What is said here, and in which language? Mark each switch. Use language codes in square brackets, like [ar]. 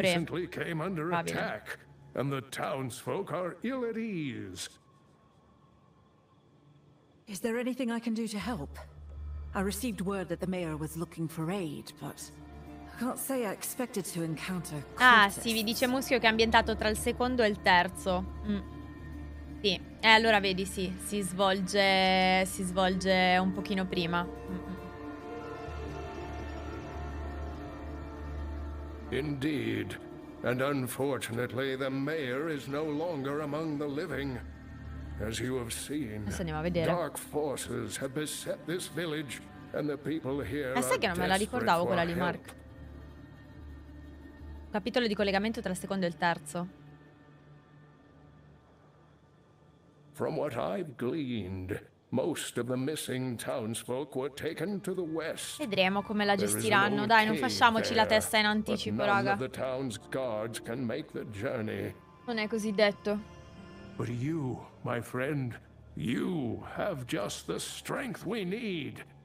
[en] Recently came under attack, and the townsfolk are ill at ease. Is there anything I can do to help? I received word that the mayor was looking for aid, but I can't say I expected to encounter. [it] Ah, sì, vi dice Muschio che è ambientato tra il secondo e il terzo. Sì, allora vedi, sì, si svolge un pochino prima. [en] Indeed, and unfortunately the mayor is no longer among the living. As you have seen, dark forces have beset this village and the people here. [it] Sai che non me la ricordavo quella lì, Mark. Capitolo di collegamento tra il secondo e il terzo. [en] From what I've gleaned, most of the missing townsfolk were taken to the west. [it] Vedremo come la gestiranno. Dai, non facciamoci la testa in anticipo, raga. [en] The town's guards can make the journey. [it] Non è così detto. [en] But you, my friend, you have just the strength we need.